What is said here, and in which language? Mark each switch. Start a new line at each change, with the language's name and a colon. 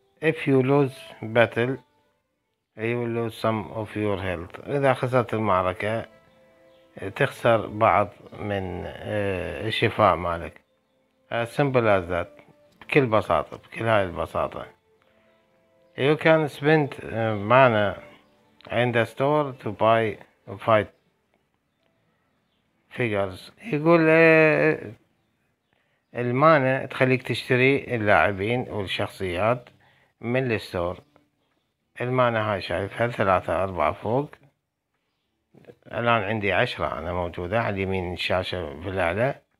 English: if you lose battle you will lose some of your health.
Arabic: اذا خسرت المعركة تخسر بعض من الشفاء مالك.
English: as simple as that.
Arabic: بكل بساطة، بكل هاي البساطة.
English: you can spend mana in the store to buy fight figures.
Arabic: يقول المانا تخليك تشتري اللاعبين والشخصيات من الستور. المانا هاي شايفها ثلاثة أربعة فوق. الآن عندي 10 أنا موجودة على اليمين الشاشة في الأعلى.